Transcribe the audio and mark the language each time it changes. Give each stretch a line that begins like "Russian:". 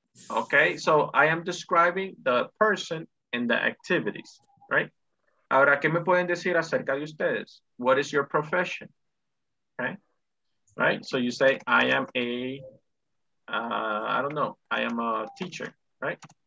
English: Okay, so I am describing the person and the activities, right?
Spanish: Ahora, ¿qué me pueden decir acerca de ustedes?
English: What is your profession? Okay, right? So you say, I am a, I don't know, I am a teacher, right?